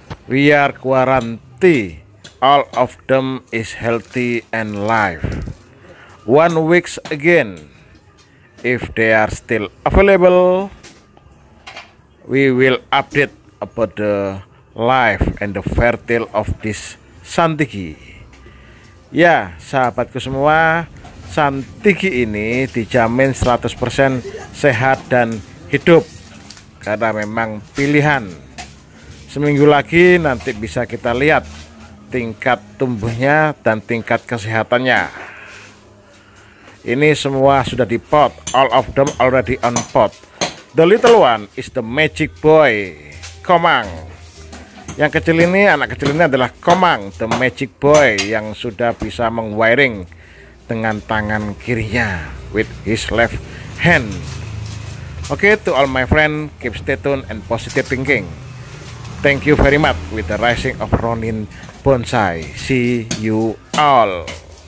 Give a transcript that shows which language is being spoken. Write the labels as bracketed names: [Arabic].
[English] We are guarantee all of them is healthy and live. 1 week again, if they are still available, we will update about the life and the fertile of this Santigi. [Indonesian] Ya, sahabatku semua, Santigi ini dijamin 100% sehat dan hidup karena memang pilihan. Seminggu lagi nanti bisa kita lihat tingkat tumbuhnya dan tingkat kesehatannya. Ini semua sudah di pot, [English] all of them already on pot. The little one is the magic boy, Komang. [Indonesian] Yang kecil ini, anak kecil ini adalah Komang, [English] the magic boy [Indonesian] yang sudah bisa mengwiring dengan tangan kirinya, [English] with his left hand. Okay, to all my friend, keep stay tuned and positive thinking. Thank you very much with the rising of Ronin Bonsai. See you all.